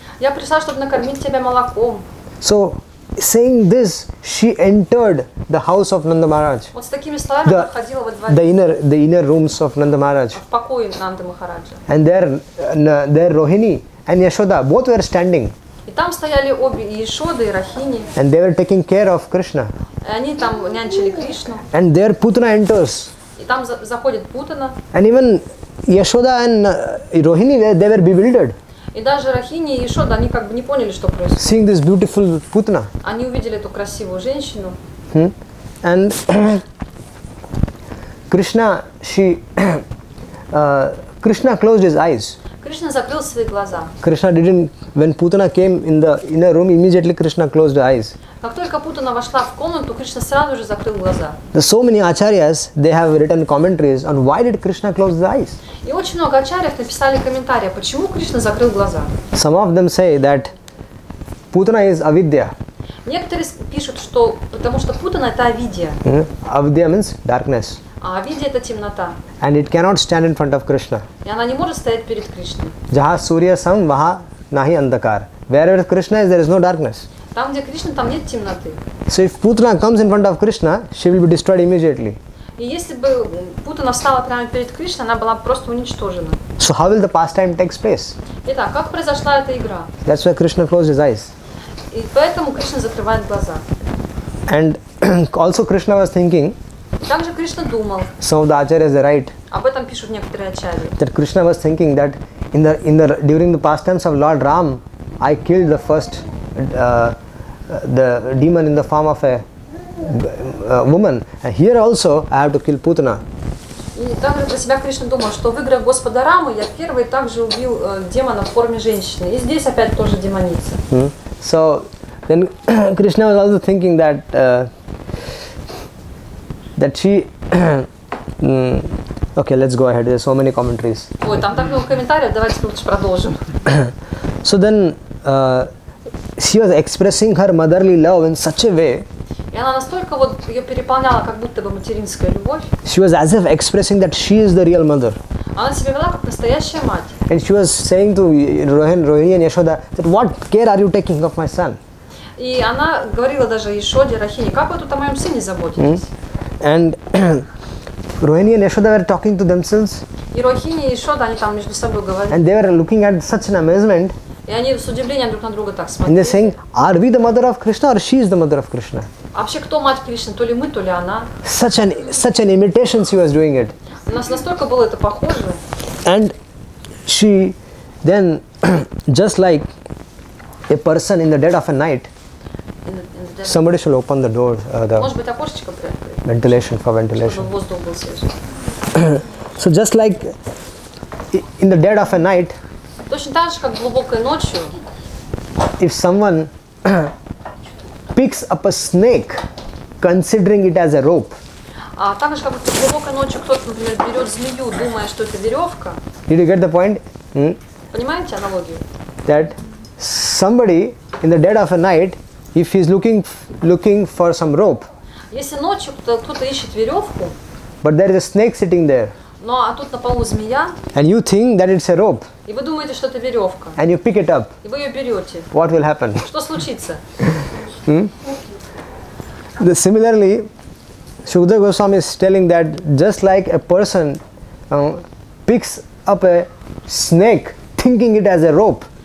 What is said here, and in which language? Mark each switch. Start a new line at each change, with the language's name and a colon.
Russian: Я пришла, чтобы накормить тебя молоком.
English: So, saying this, she entered the house of Nanda Maharaj.
Russian: Вот с такими словами она входила во дворец.
English: The inner rooms of Nanda Maharaj.
Russian: В покое Нанды Махараджа.
English: And there Rohini and Yashoda, both were standing.
Russian: И там стояли обе, и Ишода, и Рахини.
English: And they were taking care of Krishna.
Russian: Они там нянчили Кришну.
English: And there Putana enters.
Russian: И там заходит Путана.
English: And even Yashoda and Rohini, they were bewildered.
Russian: И даже Рахини и Ишода, они как бы не поняли, что происходит.
English: Seeing this beautiful Putana.
Russian: Они увидели эту красивую женщину.
English: And Krishna closed his eyes.
Russian: Krishna закрыл свои глаза.
English: Krishna didn't, when Putana came in the inner room, immediately Krishna closed her eyes.
Russian: Как только Путана вошла в комнату, Кришна сразу же закрыл глаза.
English: There's so many acharyas, they have written commentaries on why did Krishna close his eyes.
Russian: И очень много ачарьев написали комментарии, почему Кришна закрыл глаза.
English: Some of them say that Putana is avidya.
Russian: Некоторые пишут, что потому что Путана это авидья.
English: Avidya means darkness.
Russian: А авидья это темнота.
English: And it cannot stand in front of Krishna.
Russian: И она не может стоять перед Кришной.
Hindi: Jahan surya sam vaha nahi andhakar.
English: Wherever Krishna is, there is no darkness.
Russian: Там, где Кришна, там нет темноты.
English: So if Putana comes in front of Krishna, she will be destroyed immediately.
Russian: И если бы Путана встала прямо перед Кришной, она была просто уничтожена.
English: So how will the pastime take place?
Russian: Итак, как произошла эта игра?
English: That's why Krishna closed his eyes.
Russian: И поэтому Кришна закрывает глаза.
English: And also Krishna was thinking.
Russian: И также Кришна думал.
English: Some of the acharyas write.
Russian: Об этом пишут некоторые ачарьи.
English: That Krishna was thinking that in the during the pastimes of Lord Ram, I killed the first the demon in the form of a woman. And here also I have to kill Putana.
Russian: И также про себя Кришна думал, что в играх Господа Рамы я первый также убил демона в форме женщины. И здесь опять тоже демоница.
English: So then Krishna was also thinking that that she okay, let's go ahead. There's so many commentaries.
Russian: Ой, там так много комментариев. Давайте лучше продолжим.
English: So then she was expressing her motherly love in such a way.
Russian: И она настолько вот ее переполняла, как будто бы материнская любовь.
English: She was as if expressing that she is the real mother.
Russian: Она себя вела как настоящая мать.
English: And she was saying to Rohini and Yashoda that what care are you taking of my son?
Russian: И она говорила даже Яшоде, Рахине, как вы тут о моем сыне заботитесь?
English: And Rohini and Yashoda were talking to themselves.
Russian: И Рохини и Яшода, они там между собой говорили.
English: And they were looking at such an amazement.
Russian: И они с удивлением друг на друга так смотрели.
English: And they're saying, are we the mother of Krishna or she is the mother of Krishna?
Russian: Вообще, кто мать Кришны? То ли мы, то ли она?
English: Such an imitation she was doing it.
Russian: У нас настолько было это похоже.
English: And she then, just like a person in the dead of a night, somebody should open the door, the ventilation for ventilation. So just like in the dead of a night,
Russian: точно так же, как глубокой ночью,
English: if someone picks up a snake, considering it as a rope,
Russian: а так же, как глубокой ночью кто-то, например, берет змею, думая, что это веревка.
English: Did you get the point?
Russian: Понимаете аналогию?
English: That somebody in the dead of a night, if he's looking for some rope.
Russian: Если ночью кто-то ищет веревку.
English: But there is a snake sitting there.
Russian: Ну а тут на полу змея.
English: And you think that it's a rope.
Russian: И вы думаете, что это веревка.
English: And you pick it up.
Russian: И вы ее берете.
English: What will happen?
Russian: Что случится?
English: Similarly, Shukadeva Goswami is telling that just like a person picks up a snake, thinking it as a rope.